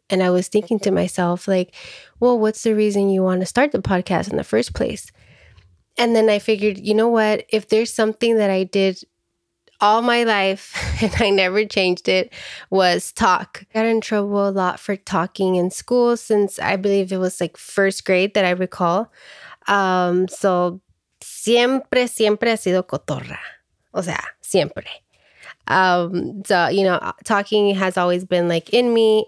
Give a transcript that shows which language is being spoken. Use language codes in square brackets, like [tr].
[en] And I was thinking to myself, like, well, what's the reason you want to start the podcast in the first place? And then I figured, you know what, if there's something that I did all my life and I never changed it, was talk. I got in trouble a lot for talking in school since I believe it was like first grade that I recall. [es] So siempre ha sido cotorra. O sea, siempre. [en] So, you know, talking has always been like in me.